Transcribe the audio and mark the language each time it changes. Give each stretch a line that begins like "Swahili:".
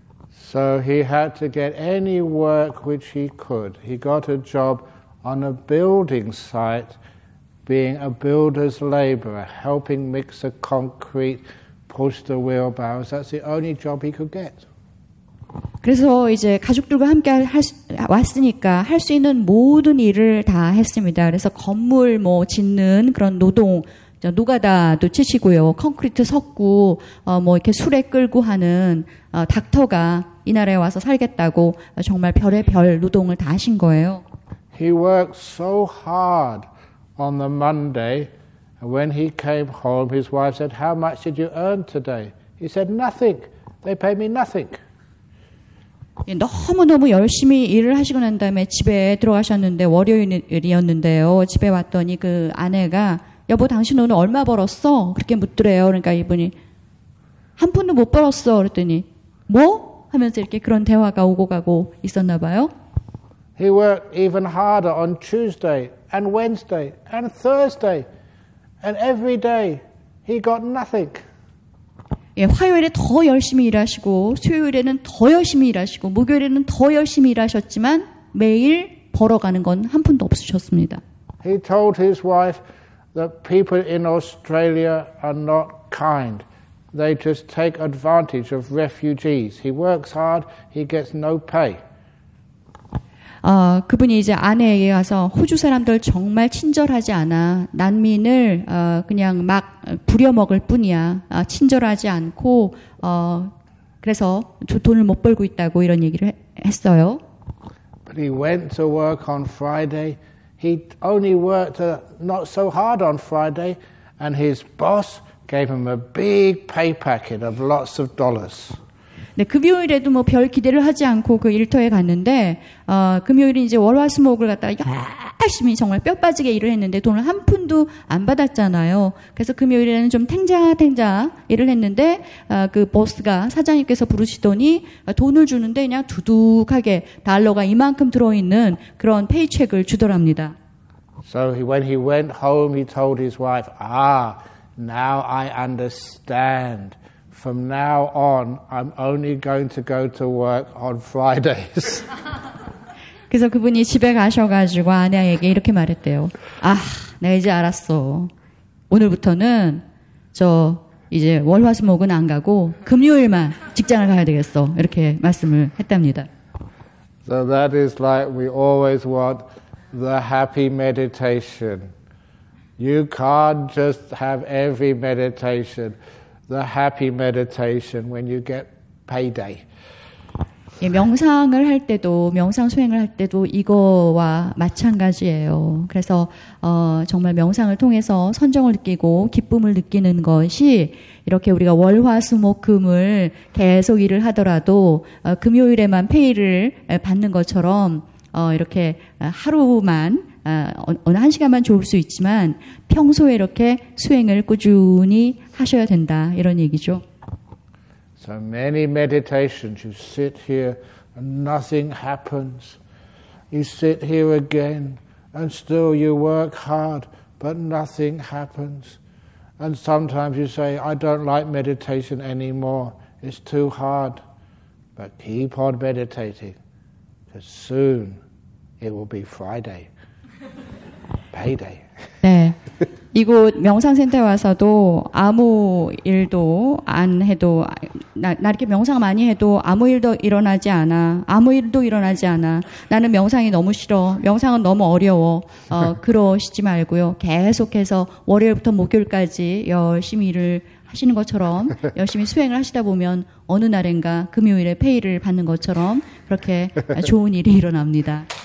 English: So he had to get any work which he could. He got a job on a building site. Being a builder's laborer, helping mix the concrete, push the wheelbarrows, that's the only job he could get.
Korean: 그래서 이제 가족들과 함께 왔으니까 할 수 있는 모든 일을 다 했습니다. 그래서 건물 뭐 짓는 그런 노동, 노가다도 치시고요. 콘크리트 섞고 뭐 이렇게 수레 끌고 하는 닥터가 이 나라에 와서 살겠다고 정말 별의별 노동을 다 하신 거예요.
English: He worked so hard. On the Monday, when he came home, his wife said, "How much did you earn today?" He said, "Nothing. They pay me nothing."
Korean: 예, 너무 열심히 일을 하시고 난 다음에 집에 들어가셨는데 월요일이었는데요. 집에 왔더니 그 아내가 여보 당신 오늘 얼마 벌었어? 그렇게 묻더래요. 그러니까 이분이 한 푼도 못 벌었어. 그랬더니 뭐? 하면서 이렇게 그런 대화가 오고 가고 있었나 봐요.
English: He worked even harder on Tuesday. And Wednesday, and Thursday, and every day, he got nothing.
Korean: 예, 화요일에 더 열심히 일하시고, 수요일에는 더 열심히 일하시고, 목요일에는 더 열심히 일하셨지만 매일 벌어가는 건 한 푼도 없으셨습니다.
English: He told his wife that people in Australia are not kind. They just take advantage of refugees. He works hard, he gets no pay.
Korean: 그분이 이제 아내에게 가서 호주 사람들 정말 친절하지 않아 난민을 그냥 막 부려먹을 뿐이야 친절하지 않고 그래서 돈을 못 벌고 있다고 이런 얘기를 했어요.
English: But he went to work on Friday. He only worked not so hard on Friday, and his boss gave him a big pay packet of lots of dollars.
Korean: 네, 금요일에도 뭐 별 기대를 하지 않고 그 일터에 갔는데 금요일이 이제 월화수목을 갖다가 열심히 정말 뼈 빠지게 일을 했는데 돈을 한 푼도 안 받았잖아요. 그래서 금요일에는 좀 탱자탱자 일을 했는데 그 보스가 사장님께서 부르시더니 돈을 주는데 그냥 두둑하게 달러가 이만큼 들어있는 그런 페이첵을 주더랍니다.
English: So when he went home, he told his wife, "Ah, now I understand. From now on, I'm only going to go to work on Fridays."
Korean: 그래서 그분이 집에 가셔가지고 아내에게 이렇게 말했대요. 아, 내가 이제 알았어. 오늘부터는 저 이제 월화수목은 안 가고 금요일만 직장을 가야 되겠어. 이렇게 말씀을 했답니다.
English: So that is like we always want the happy meditation. You can't just have every meditation. The happy meditation when you get payday.
Korean: 예, 명상을 할 때도 명상 수행을 할 때도 이거와 마찬가지예요. 그래서 정말 명상을 통해서 선정을 느끼고 기쁨을 느끼는 것이 이렇게 우리가 월화수목금을 계속 일을 하더라도 금요일에만 페이를 받는 것처럼 이렇게 하루만 어느 한 시간만 좋을 수 있지만 평소에 이렇게 수행을 꾸준히 하셔야 된다 이런 얘기죠.
English: So many meditations. You sit here and nothing happens. You sit here again and still you work hard, but nothing happens. And sometimes you say, "I don't like meditation anymore. It's too hard." But keep on meditating, because soon it will be Friday. Payday.
Korean: 네, 이곳 명상센터에 와서도 아무 일도 안 해도 나 이렇게 명상 많이 해도 아무 일도 일어나지 않아 아무 일도 일어나지 않아 나는 명상이 너무 싫어 명상은 너무 어려워 그러시지 말고요 계속해서 월요일부터 목요일까지 열심히 일을 하시는 것처럼 열심히 수행을 하시다 보면 어느 날인가 금요일에 페이를 받는 것처럼 그렇게 좋은 일이 일어납니다.